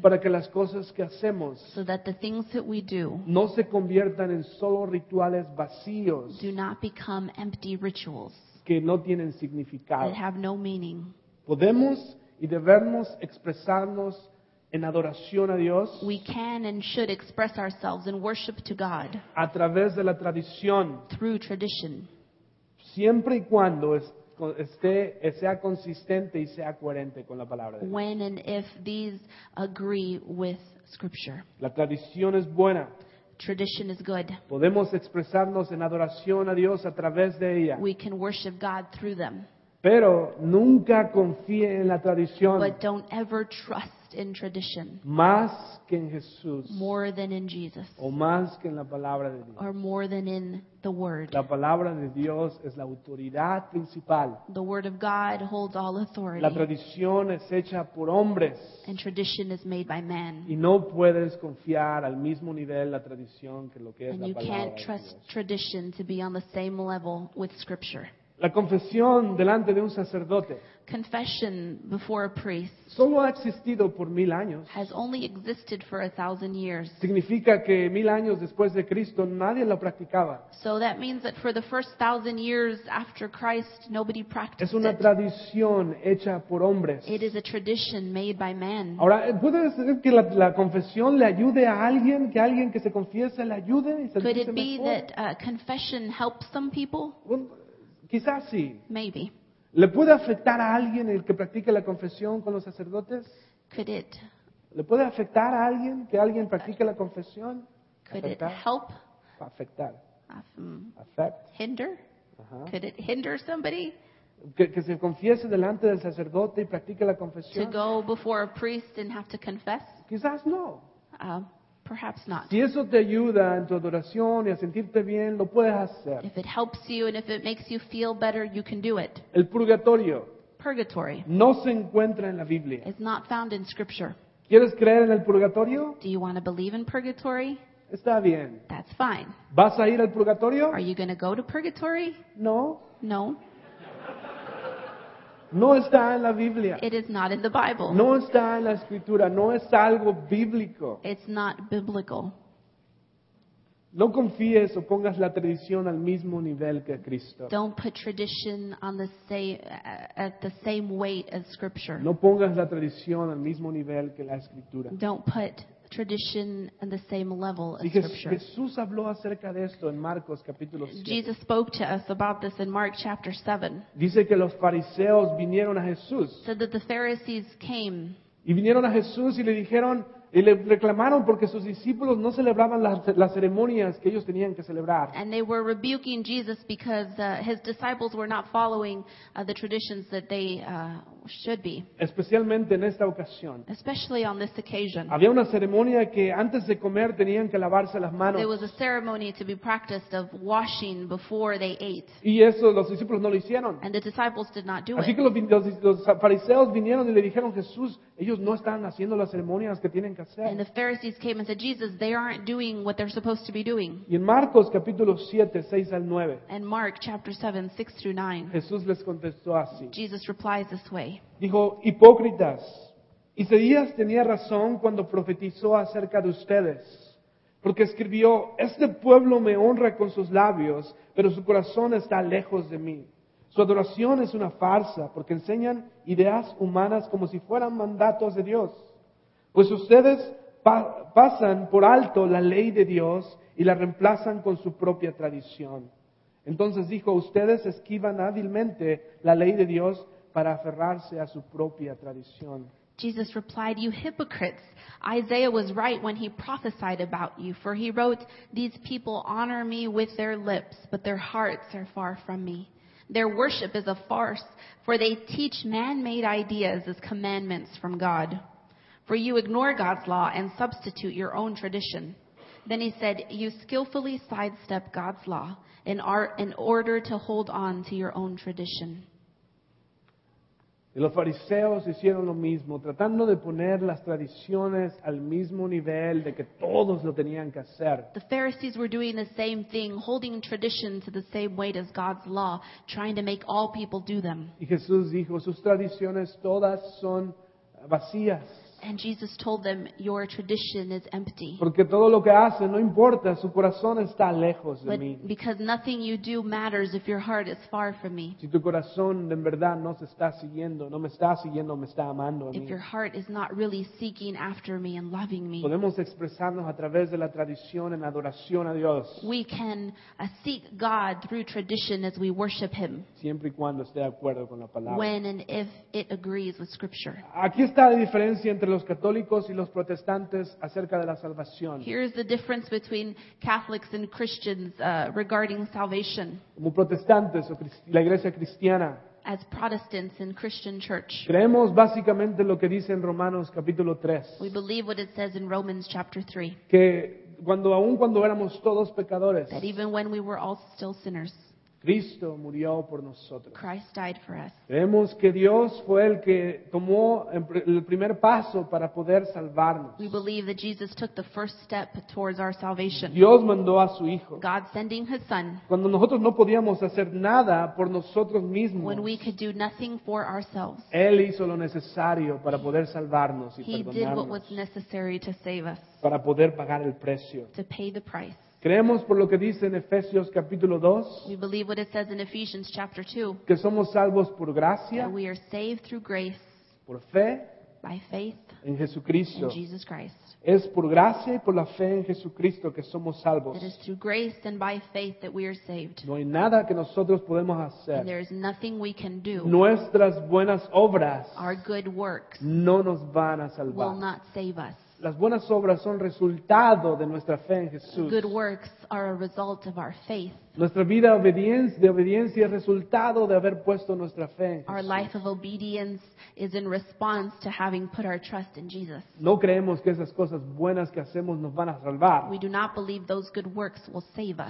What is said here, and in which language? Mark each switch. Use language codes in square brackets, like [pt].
[es] Para que las cosas que hacemos. [en] So that the things that we do. [es] No se conviertan en solo rituales vacíos. [en] Do not become empty rituals. [es] Que no tienen significado. [en] That have no meaning. [es] Podemos y debemos expresarnos en adoración a Dios. [en] We can and should express ourselves in worship to God. [es] A través de la tradición. [en] Through tradition. [es] Siempre y cuando sea consistente y sea coherente con la palabra de Dios. [en] When and if these agree with Scripture. [es] La tradición es buena. [en] Tradition is good. [es] Podemos expresarnos en adoración a Dios a través de ella. [en] We can worship God through them. [es] Pero nunca confíe en la tradición. [en] But don't ever trust in tradition. [es] Más que en Jesús. [en] More than in Jesus. [es] O más que en la palabra de Dios. [en] Or more than in the word. [es] La palabra de Dios es la autoridad principal. [en] The word of God holds all authority. [es] La tradición es hecha por hombres. [en] And tradition is made by men. [es] Y no puedes confiar al mismo nivel la tradición que lo que es la palabra. [en] And you can't trust tradition to be on the same level with scripture. [es] La confesión delante de un sacerdote. [en] Confession before a priest. [es] Solo ha existido por 1,000 años. [en] Has only existed for 1,000 years. [es] Significa que 1,000 años después de Cristo nadie lo practicaba. [en] So that means that for the first 1,000 years after Christ, nobody practiced it. [es] Es una tradición hecha por hombres. [en] It is a tradition made by man. [es] Ahora, ¿puede ser que la confesión le ayude a alguien, que alguien que se confiese le ayude y se [en] Could it be [es] mejor? [en] That confession helps some people? [es] Quizás sí. [en] Maybe. [es] ¿Le puede afectar a alguien el que practique la confesión con los sacerdotes? [en] Could it? [es] ¿Le puede afectar a alguien que alguien practique la confesión? [en] Could [es] afectar. [en] It help? [es] Afectar. [en] Affect. Hinder? Uh-huh. Could it hinder somebody? [es] Que se confiese delante del sacerdote y practique la confesión. [en] To go before a priest and have to confess? [es] Quizás no. [en] Perhaps not. [es] Si eso te ayuda en tu adoración y a sentirte bien, lo puedes hacer. [en] If it helps you and if it makes you feel better, you can do it. [es] El purgatorio. [en] Purgatory. [es] No se encuentra en la Biblia. [en] It's not found in scripture. [es] ¿Quieres creer en el purgatorio? [en] Do you want to believe in purgatory? [es] Está bien. [en] That's fine. [es] ¿Vas a ir al purgatorio? [en] Are you going to go to purgatory? [es] No. [en] No. [es] No está en la Biblia. [en] It is not in the Bible. [es] No está en la Escritura. No es algo bíblico. [en] It's not biblical. [es] No confíes o pongas la tradición al mismo nivel que Cristo. [en] Don't put tradition on the same at the same weight as Scripture. [es] No pongas la tradición al mismo nivel que la Escritura. [en] Don't put tradition on the same level as [es] y [en] Scripture. [es] Jesús habló acerca de esto en Marcos capítulo 7. [en] Jesus spoke to us about this in Mark chapter 7. [es] Dice que los fariseos vinieron a Jesús. [en] Said that the Pharisees came. [es] Y vinieron a Jesús y le dijeron y le reclamaron porque sus discípulos no celebraban las ceremonias que ellos tenían que celebrar. [en] And they were rebuking Jesus because his disciples were not following the traditions that they should be. [es] Especialmente en esta ocasión. [en] Especially on this occasion. [es] Había una ceremonia que antes de comer tenían que lavarse las manos. [en] There was a ceremony to be practiced of washing before they ate. [es] Y eso los discípulos no lo hicieron. [en] And the disciples did not do [es] it. Así que los fariseos vinieron y le dijeron Jesús, ellos no están haciendo las ceremonias que tienen que hacer. [en] And the Pharisees came and said, Jesus, they aren't doing what they're supposed to be doing. [es] Y en Marcos capítulo 7, 6 al 9. [en] And Mark chapter 7, 6 through 9. [es] Jesús les contestó así. [en] Jesus replies this way. [es] Dijo, hipócritas, Isaías tenía razón cuando profetizó acerca de ustedes, porque escribió, este pueblo me honra con sus labios, pero su corazón está lejos de mí. Su adoración es una farsa, porque enseñan ideas humanas como si fueran mandatos de Dios. Pues ustedes pasan por alto la ley de Dios y la reemplazan con su propia tradición. Entonces dijo, ustedes esquivan hábilmente la ley de Dios para aferrarse a su propia tradición. [en] Jesus replied, you hypocrites, Isaiah was right when he prophesied about you, for he wrote, these people honor me with their lips, but their hearts are far from me. Their worship is a farce, for they teach man-made ideas as commandments from God. For you ignore God's law and substitute your own tradition. Then he said, you skillfully sidestep God's law in order to hold on to your own tradition. [es] Y los fariseos hicieron lo mismo, tratando de poner las tradiciones al mismo nivel de que todos lo tenían que hacer. [en] The Pharisees were doing the same thing, holding tradition to the same weight as God's law, trying to make all people do them. [es] Y Jesús dijo, sus tradiciones todas son vacías. [en] And Jesus told them, your tradition is empty. [es] Porque todo lo que hacen no importa, su corazón está lejos de mí. [en] Because nothing you do matters if your heart is far from me. [es] Si tu corazón en verdad no se está siguiendo, no me está siguiendo, me está amando a mí. [en] If your heart is not really seeking after me and loving me. [es] Podemos expresarnos a través de la tradición en adoración a Dios. [en] We can seek God through tradition as we worship Him. [es] Siempre y cuando esté de acuerdo con la palabra. [en] When and if it agrees with Scripture. [es] Aquí está la diferencia entre los católicos y los protestantes acerca de la salvación. [en] Here's the difference between Catholics and Christians regarding salvation. [es] Como protestantes o la iglesia cristiana. [en] as Protestants in Christian church. [es] Creemos básicamente lo que dice en Romanos capítulo 3. [en] We believe what it says in Romans chapter 3. [es] Que cuando aun cuando éramos todos pecadores. [en] That even when we were all still sinners. [es] Cristo murió por nosotros. [en] Christ died for us. [es] Creemos que Dios fue el que tomó el primer paso para poder salvarnos. [en] We believe that Jesus took the first step towards our salvation. [es] Dios mandó a su Hijo. [en] God sending His Son. [es] Cuando nosotros no podíamos hacer nada por nosotros mismos. [en] When we could do nothing for ourselves. [es] Él hizo lo necesario para poder salvarnos y perdonarnos. [en] He did what was necessary to save us. [es] Para poder pagar el precio. [en] To pay the price. [es] Creemos por lo que dice en Efesios capítulo 2. [en] We believe what it says in Ephesians chapter 2. [es] Que somos salvos por gracia. [en] That we are saved through grace. [es] Por fe. [en] By faith. [es] En Jesucristo. [en] In Jesus Christ. [es] Es por gracia y por la fe en Jesucristo que somos salvos. [en] It is through grace and by faith that we are saved. [es] No hay nada que nosotros podemos hacer. [en] And there is nothing we can do. [es] Nuestras buenas obras. [en] Our good works. [es] No nos van a salvar. [en] Will not save us. [es] Las buenas obras son resultado de nuestra fe en Jesús. [en] Good works are a result of our faith. [es] Nuestra vida de obediencia es resultado de haber puesto nuestra fe en Jesús. [en] Our life of obedience is in response to having put our trust in Jesus. [es] No creemos que esas cosas buenas que hacemos nos van a salvar. [en] We do not believe those good works will save us.